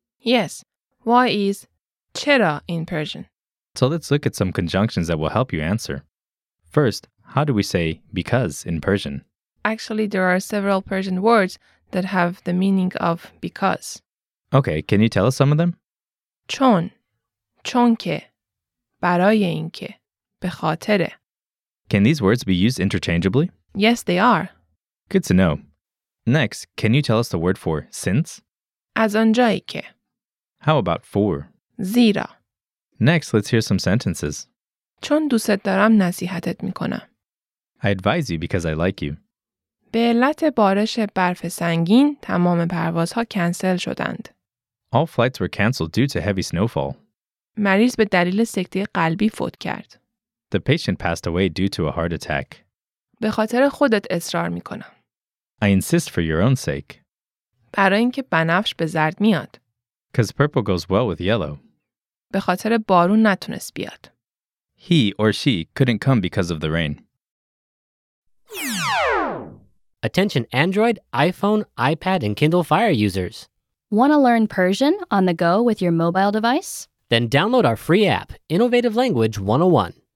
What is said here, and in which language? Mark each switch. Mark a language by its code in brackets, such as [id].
[en] Yes. Why is چرا in Persian? So let's look at some conjunctions that will help you answer. First, how do we say because in Persian? Actually, there are several Persian words that have the meaning of because. Okay, can you tell us some of them? [fa] چون، چونکه، برای اینکه، به خاطر. [en] Can these words be used interchangeably? Yes, they are. Good to know. Next, can you tell us the word for since? [fa] از آنجایی که. [en] How about for? [fa] زیرا. [en] Next, let's hear some sentences. [fa] چون دوست دارم نصیحتت میکنم. [en] I advise you because I like you. [fa] به علت بارش برف سنگین تمام پروازها کنسل شدند. [en] All flights were canceled due to heavy snowfall. [fa] مریض به دلیل سکته قلبی فوت کرد. [en] The patient passed away due to a heart attack. [fa] به خاطر خودت اصرار میکنم. [en] I insist for your own sake. [fa] برای اینکه بنفش به زرد میاد. [en] Because purple goes well with yellow. [fa] به خاطر بارون نتونست بیاد. [en] He or she couldn't come because of the rain. Attention Android, iPhone, iPad, and Kindle Fire users. Want to learn Persian on the go with your mobile device? Then download our free app, Innovative Language 101.